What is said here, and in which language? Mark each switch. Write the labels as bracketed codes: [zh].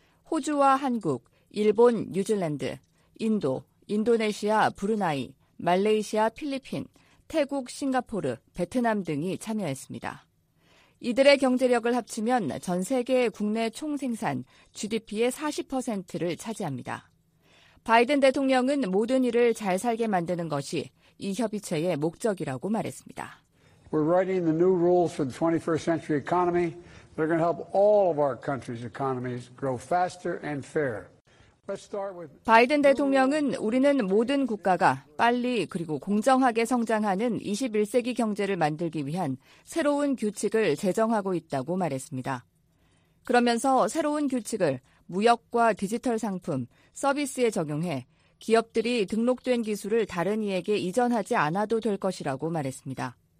[ko] 호주와 한국, 일본, 뉴질랜드, 인도, 인도네시아, 브루나이, 말레이시아, 필리핀, 태국, 싱가포르, 베트남 등이 참여했습니다. 이들의 경제력을 합치면 전 세계의 국내 총 생산 GDP의 40%를 차지합니다. 바이든 대통령은 모든 일을 잘 살게 만드는 것이 이 협의체의 목적이라고 말했습니다. [en] We're writing the new rules for the 21st century economy. They're going to help all of our country's economies grow faster and fairer. [ko] 바이든 대통령은 우리는 모든 국가가 빨리 그리고 공정하게 성장하는 21세기 경제를 만들기 위한 새로운 규칙을 제정하고 있다고 말했습니다. 그러면서 새로운 규칙을 무역과 디지털 상품, 서비스에 적용해 기업들이 등록된 기술을 다른 이에게 이전하지 않아도 될 것이라고 말했습니다.